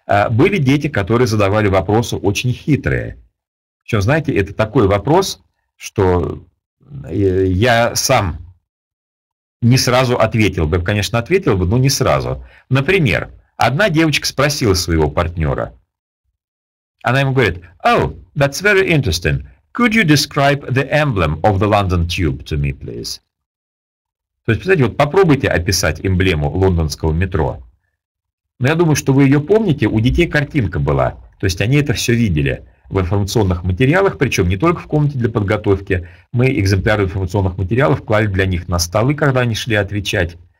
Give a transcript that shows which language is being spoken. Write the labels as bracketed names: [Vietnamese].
[Russian] Были дети, которые задавали вопросы очень хитрые. Причем, знаете, это такой вопрос, что я сам не сразу ответил бы. Конечно, ответил бы, но не сразу. Например, одна девочка спросила своего партнера. Она ему говорит: [English] «Oh, that's very interesting. Could you describe the emblem of the London Tube to me, please?» [Russian] То есть, представляете, вот попробуйте описать эмблему лондонского метро. Но я думаю, что вы ее помните, у детей картинка была. То есть они это все видели в информационных материалах, причем не только в комнате для подготовки. Мы экземпляры информационных материалов клали для них на столы, когда они шли отвечать.